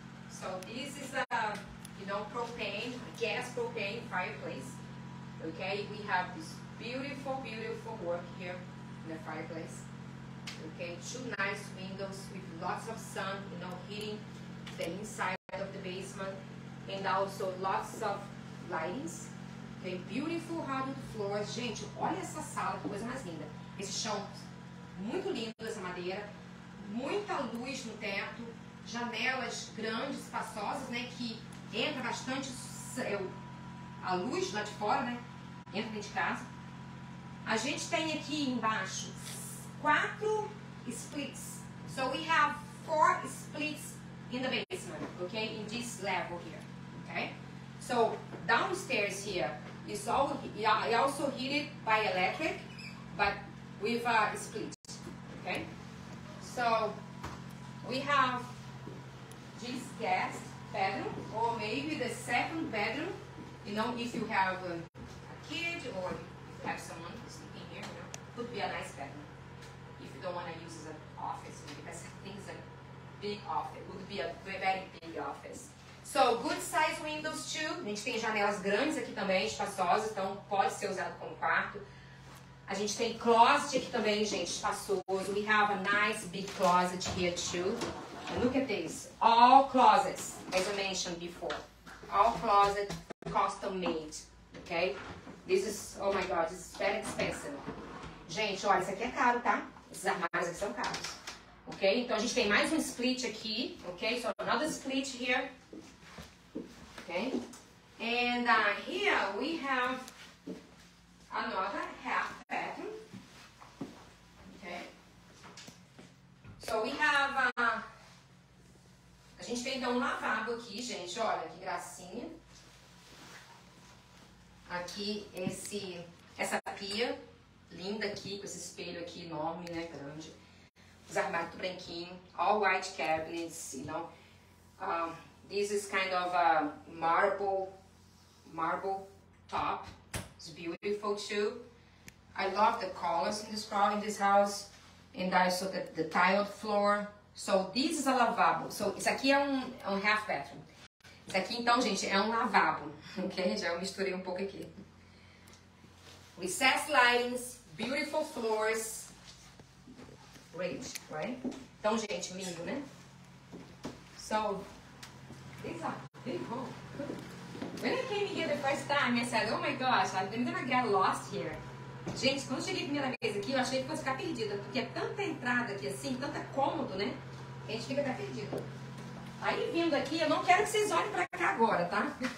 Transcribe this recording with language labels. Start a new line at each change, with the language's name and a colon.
English: So this is a, you know, propane, gas propane fireplace, okay? We have this beautiful, beautiful work here. The fireplace, okay. Two nice windows with lots of sun, you know, heating the inside of the basement, and also lots of lightings. Okay, beautiful hardwood floors.
Portuguese: Gente, olha essa sala, que coisa mais linda. Esse chão, muito lindo, essa madeira, muita luz no teto, janelas grandes, espaçosas, né, que entra bastante a luz lá de fora, né, entra dentro de casa. A gente tem aqui embaixo 4 splits.
English: So we have 4 splits in the basement, okay, in this level here, okay? So downstairs here is also heated by electric, but with a split, okay? So we have this guest bedroom, or maybe the second bedroom, you know, if you have a kid or have someone sleeping here, you know, could be a nice bedroom. If you don't want to use as an office, because I think it's a big office, it would be a very big office. So, good size windows too.
Portuguese: A gente tem janelas grandes aqui também, espaçosas, então pode ser usado como quarto. A gente tem closet aqui também, gente, espaçoso.
English: We have a nice big closet here too. And look at this. All closets, as I mentioned before. All closet custom made, okay? This is, oh my God, this is very expensive.
Portuguese: Gente, olha, isso aqui é caro, tá? Esses armários aqui são caros, ok? Então a gente tem mais um split aqui, ok?
English: So another split here. Okay, and here we have another half bedroom. Okay, so we have a
Portuguese: gente tem então um lavabo aqui, gente. Olha que gracinha. Aqui essa pia linda aqui com esse espelho aqui enorme, né, grande. Os armários tudo branquinho,
English: all white cabinets, you know. This is kind of a marble top. It's beautiful too. I love the colors in this house. And I saw the tiled floor. So this is a lavabo.
Portuguese: So isso aqui é um half bathroom. Isso aqui então, gente, é um lavabo. Ok? Já misturei um pouco aqui.
English: Recessed lightings, beautiful floors. Great, right?
Portuguese: Então, gente, lindo, né?
English: So these are big homes. When I came here the first time, I said, oh my gosh, I'm gonna get lost here.
Portuguese: Gente, quando eu cheguei a primeira vez aqui, eu achei que fosse ficar perdida, porque é tanta entrada aqui assim, tanto cômodo, né? A gente fica até perdido. Aí vindo aqui, eu não quero que vocês olhem pra cá agora, tá?